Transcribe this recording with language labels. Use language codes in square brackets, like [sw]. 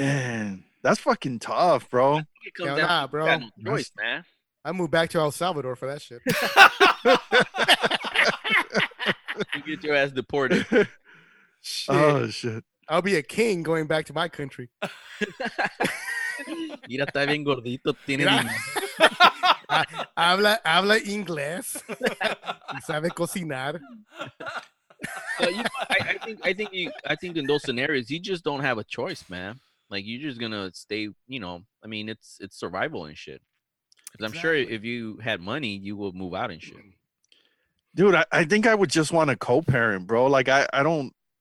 [en] Man, that's fucking tough, bro. Nah, bro. Choice, man. I moved back to El Salvador for that shit. You get your ass deported. Shit. Oh shit! I'll be a king going back to my country. [es] Mira, está bien gordito, tiene habla inglés, sabe cocinar. [en] I think in those scenarios, you just don't have a choice, man. Like, you're just gonna stay, you know. I mean, it's survival and shit. Because I'm sure if you had money, you would move out and shit. Dude, I think I would just want a co-parent, bro. Like, I don't.